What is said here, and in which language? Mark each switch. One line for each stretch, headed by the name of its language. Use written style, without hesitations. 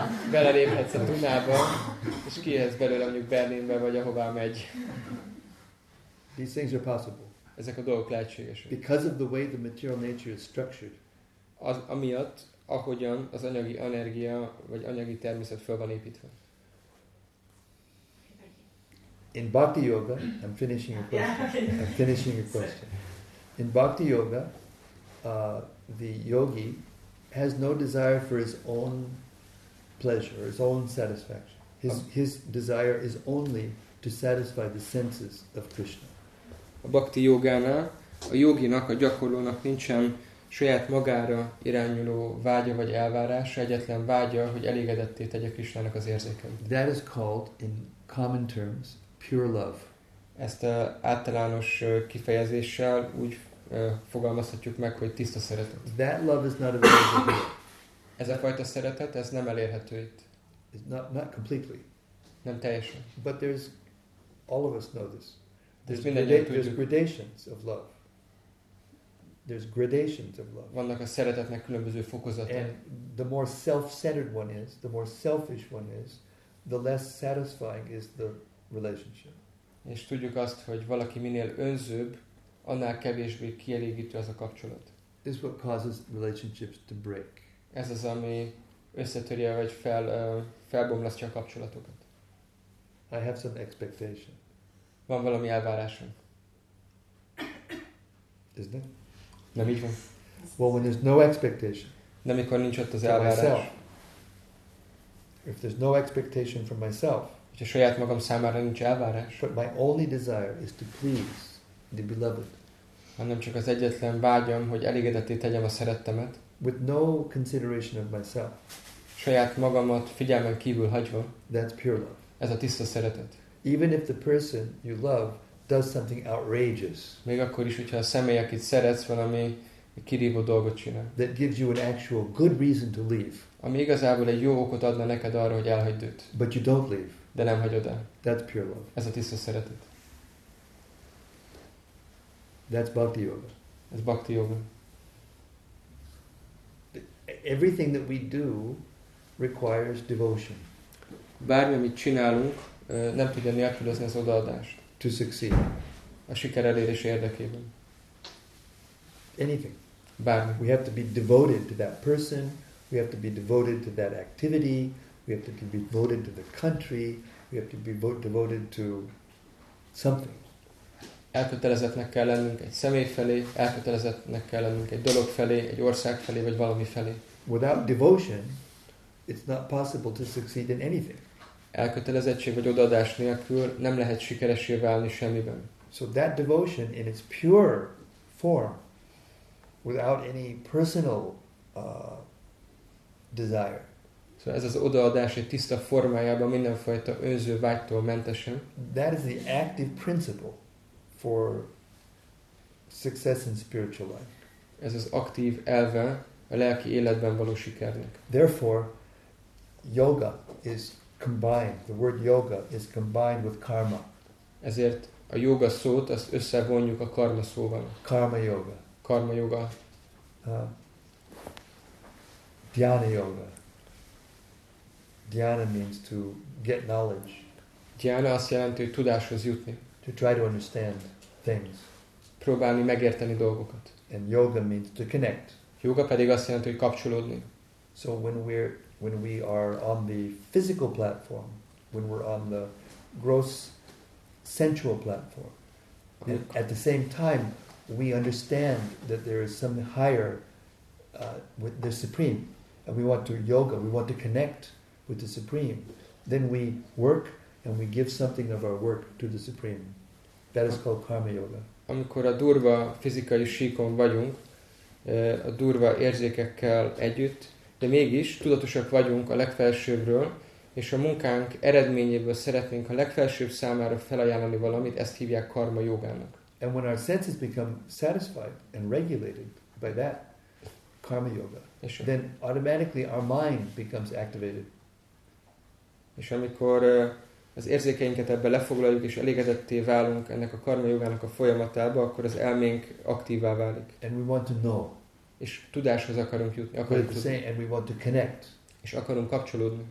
Hungarian: Bele léphetsz a Dunába és kijöhetsz belőle mondjuk Berlinbe vagy ahová megy.
English: These things are possible.
Hungarian: Ezek a dolgok lehetségesek.
English: Because of the way the material nature is structured.
Hungarian: Az amiatt, ahogyan az anyagi energia vagy anyagi természet föl van építve.
English: In bhakti yoga, I'm finishing your question. Yeah. I'm finishing your question. In bhakti yoga, the yogi has no desire for his own pleasure, his own satisfaction. His desire is only to satisfy the senses of Krishna.
Hungarian: A bhakti jogánál a joginak, a gyakorlónak nincsen saját magára irányuló vágya vagy elvárása, egyetlen vágya, hogy elégedetté tegye Krisnának az érzékeit.
English: That is called, in common terms, pure love.
Hungarian: Ezt általános kifejezéssel úgy fogalmazhatjuk meg, hogy tiszta szeretet.
English: That love is not available.
Hungarian: Ez a fajta szeretet, ez nem elérhető itt.
English: It's not completely.
Hungarian: Nem teljesen.
English: But there's, all of us know this. There's gradations of love. There's gradations of love.
Hungarian: Vannak a szeretetnek különböző fokozatai.
English: And the more self-centered one is, the more selfish one is, the less satisfying is the relationship.
Hungarian: És tudjuk azt, hogy valaki minél önzőbb, annál kevésbé kielégítő az a kapcsolat.
English: This is what causes relationships to break.
Hungarian: Ez az, ami összetörje vagy felbomlasztja a kapcsolatokat.
English: I have some expectations.
Hungarian: Van valami elvárásom.
English: Isn't it?
Hungarian: Nem így van.
English: Well, when there's no expectation.
Hungarian: Nem, mikor nincs ott az elvárás.
English: Myself. If there's no expectation for myself.
Hungarian: Hogyha saját magam számára nincs elvárás.
English: But my only desire is to please the beloved.
Hungarian: Hanem csak az egyetlen vágyam, hogy elégedetté tegyem a szerettemet.
English: With no consideration of myself.
Hungarian: saját magamat figyelmen kívül hagyva.
English: That's pure love.
Hungarian: Ez a tiszta szeretet.
English: Even if the person you love does something outrageous.
Hungarian: Még akkor is, hogyha a személy, akit szeretsz, valami kirívó dolgot csinál.
English: That gives you an actual good reason to leave.
Hungarian: Ami igazából egy jó okot adna neked arra, hogy elhagyd őt.
English: But you don't leave.
Hungarian: De nem hagyod el.
English: That's pure love.
Hungarian: Ez a tiszta szeretet.
English: That's bhakti yoga. That's bhakti yoga. Everything that we do requires devotion.
Hungarian: Bármi, amit csinálunk, nem tudja nélkülözni az odaadást.
English: To succeed.
Hungarian: A siker elérés érdekében.
English: Anything.
Hungarian: Bármi.
English: We have to be devoted to that person. We have to be devoted to that activity. We have to be devoted to the country. We have to be devoted to something.
Hungarian: Elkötelezettnek kell lennünk egy személy felé, elkötelezettnek kell lennünk egy dolog felé, egy ország felé, vagy valami felé.
English: Without devotion, it's not possible to succeed in anything.
Hungarian: Elkötelezettség vagy odaadás nélkül nem lehet sikeressé válni semmiben.
English: So that devotion in its pure form, without any personal desire.
Hungarian: Szóval ez az odaadás egy tiszta formájában mindenfajta önző vágytól mentesen.
English: That is the active principle for success in spiritual life.
Hungarian: Ez az aktív elve a lelki életben való sikernek.
English: Therefore, yoga is combined. The word yoga is combined with karma.
Hungarian: Ezért a yoga szót azt összevonjuk a karma szóval.
English: Karma yoga. Karma yoga. Dhyana yoga. Dhyana means to get knowledge.
Hungarian: Dhyana azt jelenti, hogy tudáshoz jutni.
English: To try to understand things.
Hungarian: Próbálni megérteni dolgokat.
English: And yoga means to connect.
Hungarian: Yoga pedig azt jelenti, hogy kapcsolódni.
English: So when we are on the physical platform, when we're on the gross sensual platform, at the same time we understand that there is something higher, with the supreme, and we want to yoga, we want to connect with the supreme, then we work and we give something of our work to the supreme. That is called karma yoga.
Hungarian: Amikor a durva fizikai síkon vagyunk, a durva érzékekkel együtt, de mégis tudatosak vagyunk a legfelsőbbről, és a munkánk eredményéből szeretnénk a legfelsőbb számára felajánlani valamit, ezt hívják karma jogának.
English: And when our senses become satisfied and regulated by that karma yoga, then automatically our mind becomes activated.
Hungarian: És amikor az érzékeinket ebbe lefoglaljuk, és elégedetté válunk ennek a karma jogának a folyamatába, akkor az elménk aktívvá válik.
English: And we want to know.
Hungarian: És tudáshoz akarunk jutni. Akarunk tudni.
English: Same, and we want to connect.
Hungarian: És akarunk kapcsolódni.